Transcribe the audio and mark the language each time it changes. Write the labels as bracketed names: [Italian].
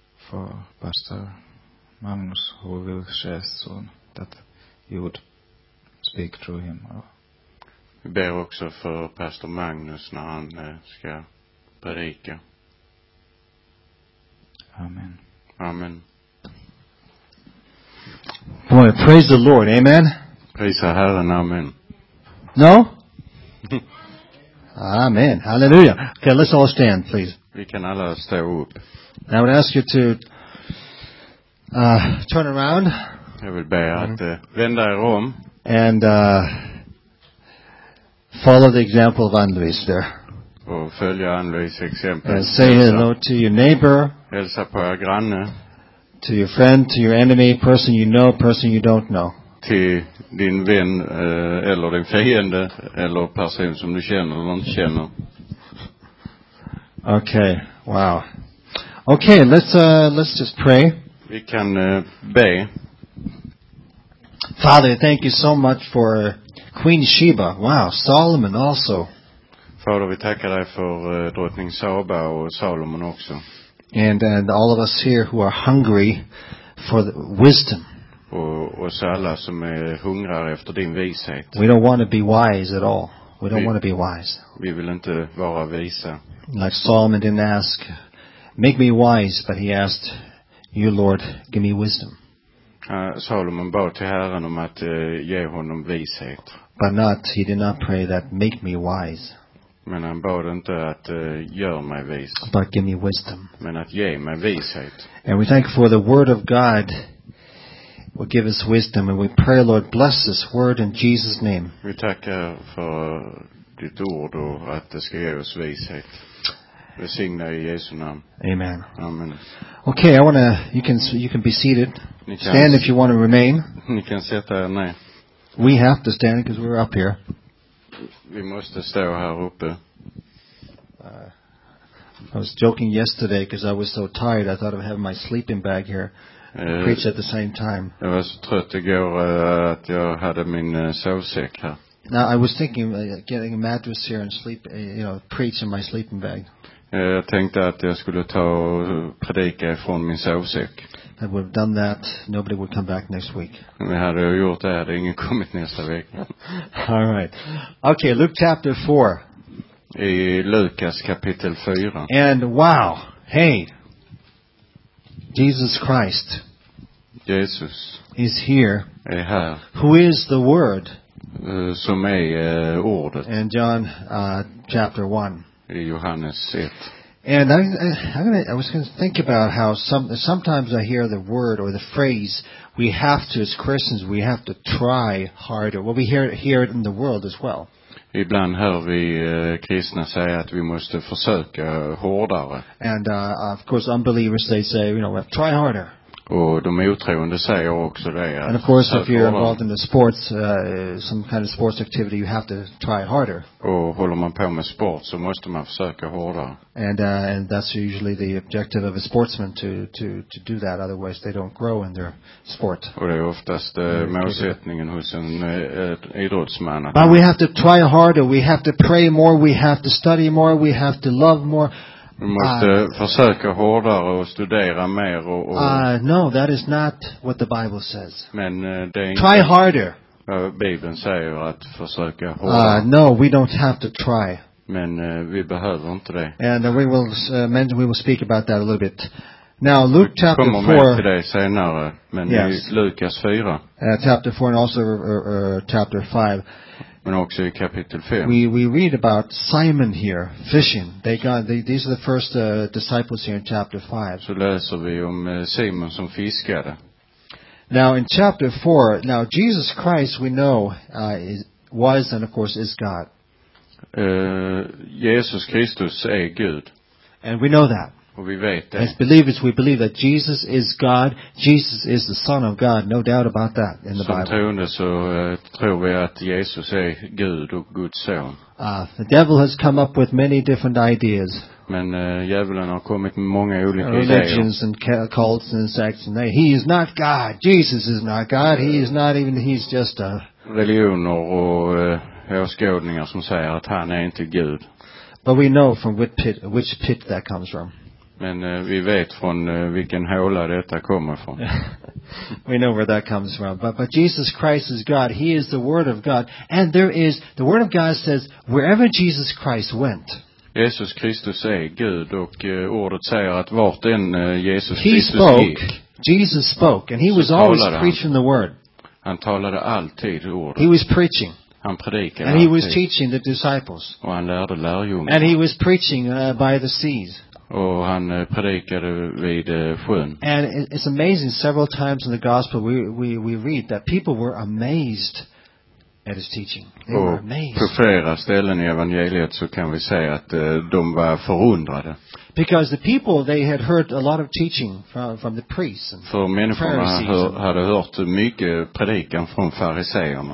[English] for Pastor Magnus, who will share soon, that you would speak through him. [Swedish] Vi ber också för Pastor Magnus när han ska predika. Amen. Amen. [English] Boy, praise the Lord. Amen. [Swedish] Prisa Herren. Amen. [English] No? Amen. Hallelujah. Okay, let's all stand, please. [Swedish] Vi kan alla stå upp. [English] I would ask you to turn around. [Swedish] Jag vill be att vända er om. [English] And follow the example of Andres there. [Swedish] Och följa Andres exempel. [English] And say hello to your neighbor. [Swedish] Hälsa på er granne. [English] To your friend, to your enemy, person you know, person you don't know. [Swedish] Till din vän eller din fiende eller person som du känner eller inte känner. [English] Okay, wow. Okay, let's just pray. [Swedish] Vi kan be. [English] Father, thank you so much for Queen Sheba. Wow, Solomon also. [Swedish] Fader, vi tackar dig för drottning Saba och Solomon också. [English] And all of us here who are hungry for the wisdom. [Swedish] Och alla som är hungrar efter din vishet. [English] We don't want to be wise at all. We don't want to be wise. [Swedish] Vi vill inte vara visa. [English] Like Solomon didn't ask, make me wise, but he asked, you Lord, give me wisdom. [Swedish] Solomon bad till Herren om att ge honom vishet. [English] But not, he did not pray that, make me wise. [Swedish] Men han bad inte att gör mig vis. [English] But give me wisdom. [Swedish] Men att ge mig vishet. [English] And we thank for the word of God will give us wisdom. And we pray, Lord, bless this word in Jesus' name. [Swedish] Vi tackar för ditt ord och att det ska ge oss vishet. Välsigna i Jesu namn. Amen. Amen. [English] Okay, I want to, you can be seated. Stand if you want to remain. [Swedish] Ni kan sätta er ner. [English] We have to stand because we're up here. [Swedish] Vi måste stå här uppe. [English] I was joking yesterday because I was so tired. I thought of having my sleeping bag here. Preach at the same time. [Swedish] Jag var så trött igår att jag hade min sovsäck här. [English] Now I was thinking getting a mattress here and sleep, preach in my sleeping bag. [Swedish] Jag tänkte att jag skulle ta predika från min sovsäck. [English] If we've done that, nobody would come back next week. [Swedish] Vi hade gjort det, hade ingen kommit nästa vecka. [English] All right. Okay, Luke chapter 4. [Swedish] I Lukas kapitel 4. [English] And wow, hey, Jesus Christ. Jesus. Is here. [Swedish] Är här. [English] Who is the Word? [Swedish] Som är ordet. [English] And John chapter 1. [Swedish] I Johannes 1. [English] And I was going to think about how sometimes I hear the word or the phrase, we have to, as Christians, we have to try harder. Well, we hear it in the world as well. [Swedish] Ibland hör vi kristna säga att vi måste försöka hårdare. [English] And of course, unbelievers, they say, try harder. [Swedish] Och de otroende säger också det. [English] And of course, if you're involved in the sports, some kind of sports activity, you have to try harder. [Swedish] Och håller man på med sport så måste man försöka hårdare. [English] And that's usually the objective of a sportsman to do that, otherwise they don't grow in their sport. [Swedish] Och det är oftast målsättningen hos en idrottsman. [English] But we have to try harder, we have to pray more, we have to study more, we have to love more. [Swedish] Vi måste försöka hårdare och studera mer. Och [English] no, that is not what the Bible says. [Swedish] Men det är inte. [English] Try harder. [Swedish] Bibeln säger att försöka hårdare. [English] No, we don't have to try. [Swedish] Men vi behöver inte det. [English] And we will speak about that a little bit. Now, Luke chapter 4. [Swedish] Vi kommer med till det senare. Men [English] yes. [Swedish] Lukas 4. [English] Chapter 4 and also chapter 5. [Swedish] Men också i kapitel 5. [English] We read about Simon here fishing. These are the first disciples here in chapter 5. [Swedish] Så läser vi om Simon som fiskade. [English] Now in chapter 4, now Jesus Christ we know was and of course is God. [Swedish] Jesus Kristus är Gud. [English] And we know that. [Swedish] Och vi vet det. [English] As believers, we believe that Jesus is God. Jesus is the Son of God. No doubt about that in the [Swedish] Som [English] Bible. [Swedish] Som troende så tror vi att Jesus är Gud och Guds son. [English] The devil has come up with many different ideas. [Swedish] Men djävulen har kommit med många olika [English] religions [Swedish] idéer. [English] Religions and cults and sects. And he is not God. Jesus is not God. He is not even, he's just a... [Swedish] Religioner och åskådningar som säger att han är inte Gud. [English] But we know from which pit that comes from. [Swedish] Men vi vet från vilken håla detta kommer från. [English] We know where that comes from. But Jesus Christ is God. He is the Word of God. And there is, the Word of God says, wherever Jesus Christ went. [Swedish] Jesus Kristus är Gud, och ordet säger att vart än Jesus Kristus gick. [English] He spoke. Jesus spoke. And he was always preaching the Word. [Swedish] Han talade alltid ordet. [English] He was preaching. [Swedish] Han predikade alltid. [English] And he was teaching the disciples. [Swedish] Och han lärde lärjungarna. [English] And he was preaching by the seas. [Swedish] Och han predikade vid sjön. [English] And it's amazing, several times in the gospel we read that people were amazed at his teaching. They [Swedish] och [English] were amazed. [Swedish] På flera ställen i evangeliet så kan vi säga att de var förundrade. [English] Because the people, they had heard a lot of teaching from the priests and [Swedish] for [English] the Pharisees. [Swedish] För människorna hade hört mycket predikan från fariseerna.